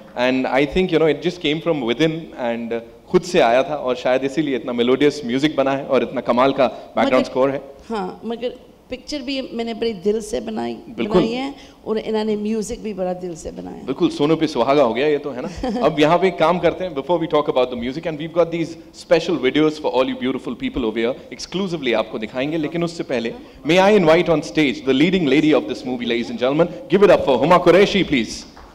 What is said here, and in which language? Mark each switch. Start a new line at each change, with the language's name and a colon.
English: And I think, you know, it just came from within and
Hindi: खुद से आया था और शायद इसीलिए इतना melodious music बना है और इतना कमाल का background score है. हाँ, मगर picture भी मैंने बड़े दिल से बनाई है और इन्होंने music भी बड़ा दिल से बनाया. बिल्कुल सोनू पे सुहागा हो गया ये तो है ना. अब यहाँ पे काम करते हैं
English: before we talk about the music and we've got these special videos for all you beautiful people over here exclusively
Hindi: आपको दिखाएंगे. लेकिन उससे पहले
English: may I invite on stage the leading lady of this movie, ladies and gentlemen, give it up for Huma Qureshi, please.